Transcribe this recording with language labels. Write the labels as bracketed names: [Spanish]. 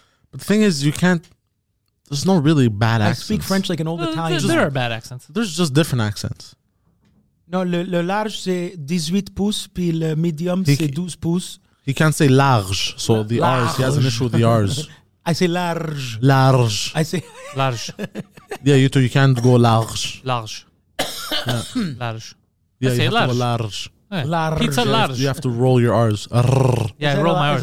[English] But the thing is, you can't. There's no really bad accents. I speak French like an old Italian. There are bad accents. There's just different accents. [French] No, le large, c'est 18 pouces, puis le medium, c'est 12 pouces. [English] He can't say large, so the large. R's, he has an issue with the R's. I say large. Large. I say large. Yeah, you too, you can't go large. Large. Yeah. Large. Yeah, I say you have large. To go large. Yeah. Large. Pizza large. You have to roll your R's. Yeah, roll my R's.